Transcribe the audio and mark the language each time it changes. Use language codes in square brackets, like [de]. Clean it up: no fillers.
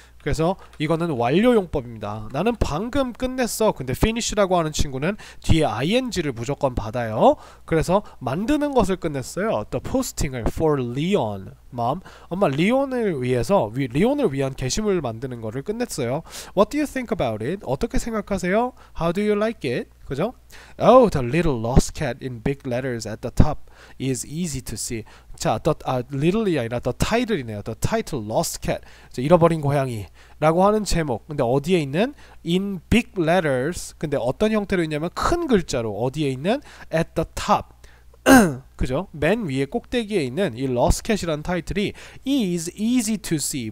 [ko] 그래서 이거는 완료용법입니다. 나는 방금 끝냈어. 근데 finish라고 하는 친구는 뒤에 ing를 무조건 받아요. 그래서 만드는 것을 끝냈어요. [en] The posting을 for Leon. [ko] Mom, 엄마 리온을 위한 게시물을 만드는 것을 끝냈어요. [en] What do you think about it? [ko] 어떻게 생각하세요? [en] How do you like it? 그죠? Oh, the little lost cat in big letters at the top is easy to see. 자, little이 아니라 the title이네요. The title, lost cat. [ko] 잃어버린 고양이라고 하는 제목. 근데 어디에 있는? [en] In big letters. [ko] 근데 어떤 형태로 있냐면 큰 글자로 어디에 있는? [en] At the top. [ko] 그죠? 맨 위에 꼭대기에 있는 이 러스캣이라는 타이틀이 [en] is easy to see.